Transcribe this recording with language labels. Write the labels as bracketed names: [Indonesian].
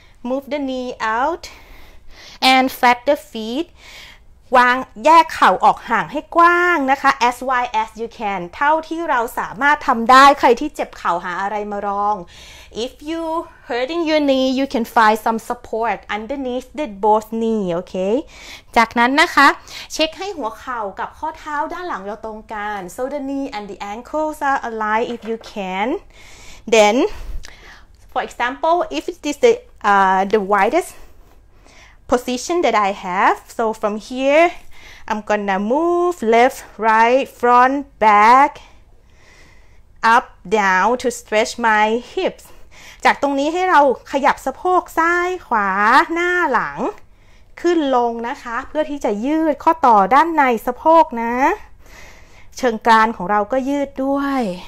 [English] move the knee out and flat the feet [Thai] วางแยกเข่าออกห่างให้กว้างนะคะ [English] as wide as you can [Thai] เท่าที่เราสามารถทำได้ใครที่เจ็บเข่าหาอะไรมารอง [English] If you hurting your knee, you can find some support underneath the both knee, okay? [Thai] จากนั้นนะคะเช็คให้หัวเข่ากับข้อเท้าด้านหลังเราตรงกัน [English] so the knee and the ankles are aligned if you can. Then, for example, if it is the widest position that I have, so from here, I'm gonna move left, right, front, back, up, down to stretch my hips. [Thai] จากตรงนี้ให้เราขยับสะโพกซ้ายขวาหน้าหลังขึ้นลงนะคะเพื่อที่จะยืดข้อต่อด้านในสะโพกนะเชิงกรานของเราก็ยืดด้วย